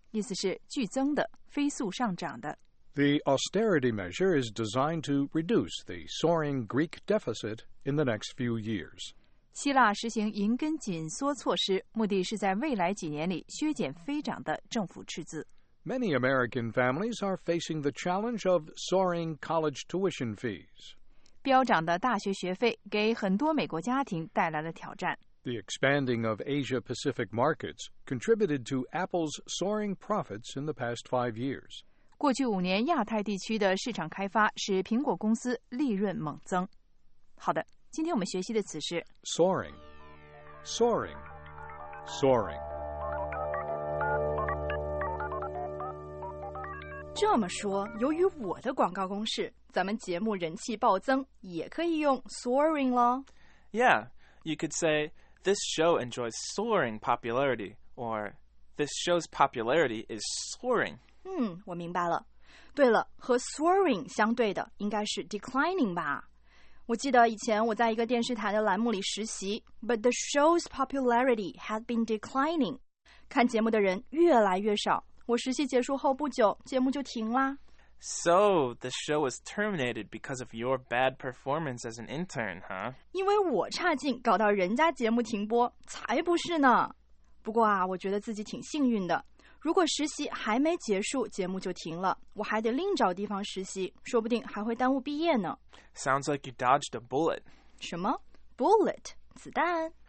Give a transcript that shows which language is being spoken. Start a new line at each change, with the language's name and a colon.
Chinese: 意思是剧增的，飞速上涨的。
English: The austerity measure is designed to reduce the soaring Greek deficit in the next few years.
Chinese: 希腊实行银根紧缩措施，目的是在未来几年里削减飞涨的政府赤字。
English: Many American families are facing the challenge of soaring college tuition fees.
Chinese: 飙涨的大学学费给很多美国家庭带来了挑战。
English: The expanding of Asia-Pacific markets contributed to Apple's soaring profits in the past 5 years.
Chinese: 过去五年亚太地区的市场开发使苹果公司利润猛增。好的，今天我们学习的词是
English: soaring, soaring, soaring.
Chinese: 这么说，由于我的广告公式，咱们节目人气暴增，也可以用 soaring 咯。
English: Yeah, you could say... This show enjoys soaring popularity, or this show's popularity is soaring.
Chinese: 嗯，我明白了。对了，和 soaring 相对的应该是 declining 吧。我记得以前我在一个电视台的栏目里实习 ,
English: but the show's popularity had been declining.
Chinese: 看节目的人越来越少，我实习结束后不久，节目就停啦。
English: So, the show was terminated because of your bad performance as an intern, huh?
Chinese: 因为我差劲搞到人家节目停播，才不是呢。不过啊，我觉得自己挺幸运的。如果实习还没结束，节目就停了，我还得另找地方实习，说不定还会耽误毕业呢。
English: Sounds like you dodged a bullet.
Chinese: 什么?Bullet? 子弹?